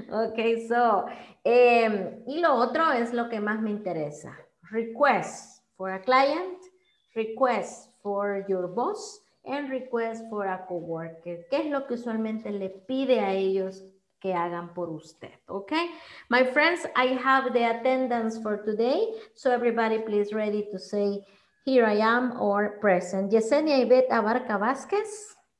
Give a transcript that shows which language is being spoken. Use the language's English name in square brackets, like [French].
[Spanish] Okay, so, y lo otro es lo que más me interesa. [English] Request for a client, request for your boss, and request for a coworker. [Spanish] ¿Qué es lo que usualmente le pide a ellos que hagan por usted, okay? [English] My friends, I have the attendance for today, so everybody please ready to say, here I am or present. Yesenia Ivette Abarca Vázquez.